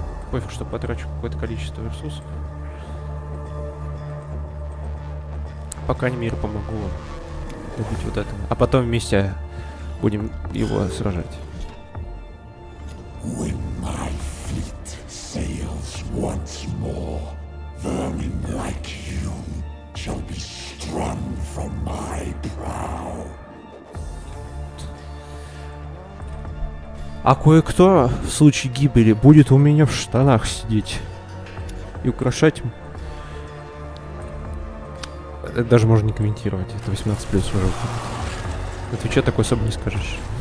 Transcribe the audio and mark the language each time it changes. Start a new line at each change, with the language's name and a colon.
Russian: Пофиг, что потрачу какое-то количество ресурсов. По крайней мере, помогу вам добить вот это. А потом вместе будем его сражать.
English: When my fleet sails once more, vermin like you shall be strung from my prow.
Russian: А кое-кто в случае гибели будет у меня в штанах сидеть и украшать. Это даже можно не комментировать, это 18+ уже. Это что такое особо не скажешь?